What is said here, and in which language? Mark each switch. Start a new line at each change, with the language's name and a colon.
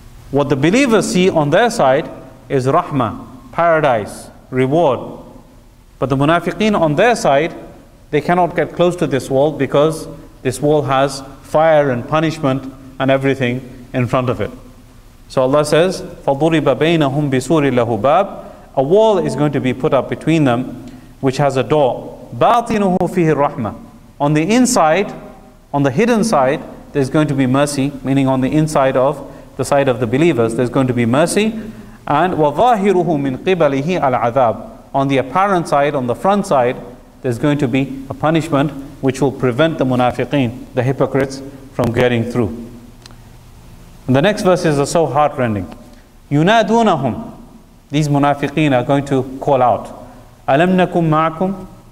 English: What the believers see on their side is rahmah, paradise, reward. But the munafiqeen on their side, they cannot get close to this wall because this wall has fire and punishment and everything in front of it. So Allah says,
Arabic: فَضُرِبَ بَيْنَهُمْ بِسُورٍ لَهُ بَابٍ.
English: A wall is going to be put up between them, which has a door.
Arabic: بَاطِنُهُ فِيهِ الرَّحْمَةِ.
English: On the inside, on the hidden side, there's going to be mercy, meaning on the inside of the side of the believers, there's going to be mercy. And
Arabic: وَظَاهِرُهُ مِنْ قِبَلِهِ الْعَذَابِ.
English: On the apparent side, on the front side, there's going to be a punishment which will prevent the munafiqeen, the hypocrites, from getting through. And the next verses are so heartrending.
Arabic: يُنَادُونَهُمْ.
English: These munafiqeen are going to call out,
Arabic: أَلَمْ نَكُمْ مَعْكُمْ.